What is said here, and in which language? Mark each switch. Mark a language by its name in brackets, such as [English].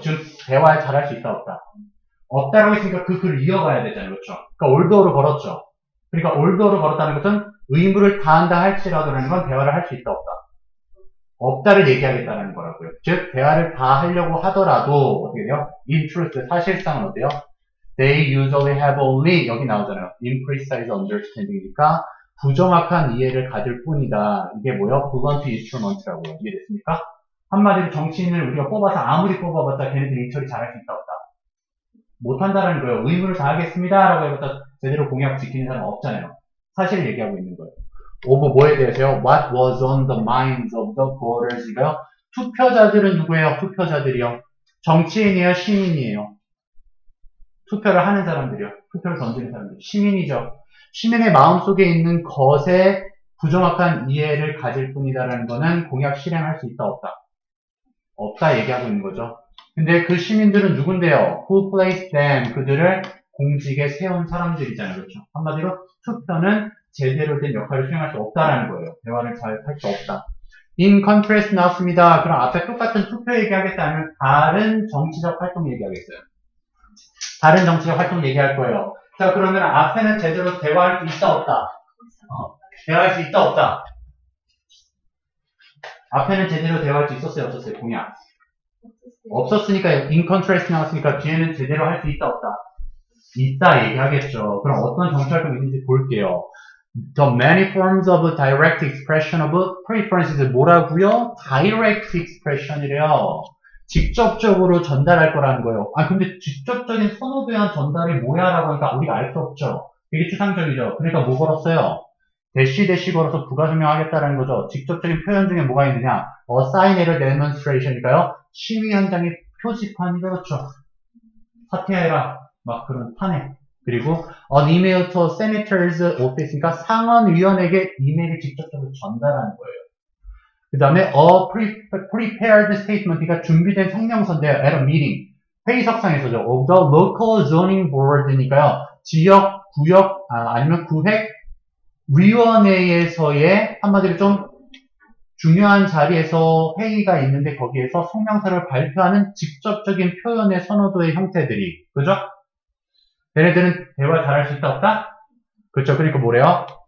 [Korean] 지금 대화에 잘할 수 있다, 없다. 없다라고 했으니까 그 글을 이어가야 되잖아요. 그렇죠? 그러니까 올드어로 걸었죠. 그러니까 올드어로 걸었다는 것은 의무를 다한다 할지라도라는 건 대화를 할수 있다, 없다. 없다를 얘기하겠다는 거라고요. 즉, 대화를 다 하려고 하더라도 어떻게 돼요? In truth, 사실상은 어때요? [English] They usually have only 여기 나오잖아요. [Korean] Imprecise understanding 이니까 부정확한 이해를 가질 뿐이다. 이게 뭐예요? Blunt instrument라고요. 이해됐습니까? 한마디로 정치인을 우리가 뽑아서 아무리 뽑아봤자 걔네들이 일처리 잘할 수 있다, 없다. 못한다라는 거예요. 의무를 다하겠습니다라고 해봤자 제대로 공약 지키는 사람 없잖아요. 사실 얘기하고 있는 거예요. 오버 뭐에 대해서요? [English] What was on the minds of the voters가요? [Korean] 투표자들은 누구예요? 투표자들이요. 정치인이에요? 시민이에요? 투표를 하는 사람들이요. 투표를 던지는 사람들. 시민이죠. 시민의 마음속에 있는 것에 부정확한 이해를 가질 뿐이다라는 거는 공약 실행할 수 있다, 없다? 없다 얘기하고 있는 거죠. 근데 그 시민들은 누군데요? [English] Who placed them? [Korean] 그들을 공직에 세운 사람들이잖아요. 그렇죠? 한마디로 투표는 제대로 된 역할을 수행할 수 없다라는 거예요. 대화를 잘할수 없다. In contrast, 나왔습니다. 그럼 앞에 똑같은 투표 얘기하겠다면 다른 정치적 활동 얘기하겠어요. 다른 정치적 활동 얘기할 거예요. 자, 그러면 앞에는 제대로 대화할 수 있다, 없다? 대화할 수 있다, 없다? 앞에는 제대로 대화할 수 있었어요, 없었어요? 공약. 없었으니까 in contrast 나왔으니까 뒤에는 제대로 할수 있다, 없다? 있다 얘기하겠죠. 그럼 어떤 정치 활동이 있는지 볼게요. [English] The many forms of a direct expression of preferences 뭐라고요? [Korean] Direct expression 이래요. 직접적으로 전달할 거라는 거예요. 아 근데 직접적인 선호에 대한 전달이 뭐야라고 하니까 우리가 알수 없죠. 이게 추상적이죠. 그러니까 뭐 걸었어요? 대시 걸어서 부가 설명하겠다는 거죠. 직접적인 표현 중에 뭐가 있느냐? Assign을 demonstration이니까요. 시위 현장의 표지판이 그렇죠. 사퇴해라. 막 그런 판에. 그리고 an email to senators office 니까 상원의원에게 이메일을 직접적으로 전달하는 거예요. 그 다음에 a prepared statement, 그러니까 준비된 성명서인데 at a meeting, 회의석상에서죠. [English] of the local zoning board니까요. [Korean] 지역, 구역, 아니면 구획 위원회에서의 한마디로 좀 중요한 자리에서 회의가 있는데 거기에서 성명서를 발표하는 직접적인 표현의 선호도의 형태들이, 그죠? 얘네들은 대화 잘할 수 있다, 없다? 그렇죠. 그러니까 뭐래요?